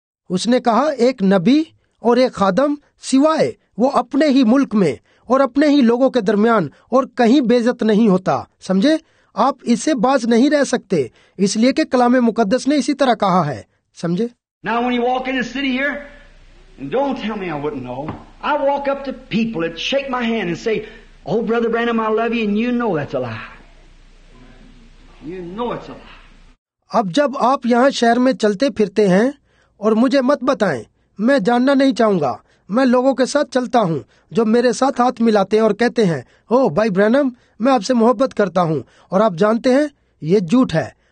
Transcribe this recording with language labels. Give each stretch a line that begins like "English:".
Hindi: उसने कहा, एक नबी और एक खादम सिवाय वो अपने ही मुल्क में और अपने ही लोगों के दरमियान और कहीं बेइज्जत नहीं होता। समझे? आप इससे बाज नहीं रह सकते, इसलिए कि कलामे मुकद्दस ने इसी तरह कहा है। समझे?
English: Now when you walk in the city here, and don't tell me I wouldn't know. I walk up to people and shake my hand and say, "Oh, brother Branham, I love you," and you know that's a lie. You know it's a lie.
Hindi: अब जब आप यहाँ शहर में चलते फिरते हैं और मुझे मत बताएं, मैं जानना नहीं चाहूंगा। मैं लोगों के साथ चलता हूँ जो मेरे साथ हाथ मिलाते हैं और कहते हैं, ओ भाई ब्रैनम, मैं आपसे मोहब्बत करता हूँ, और आप जानते हैं ये झूठ है।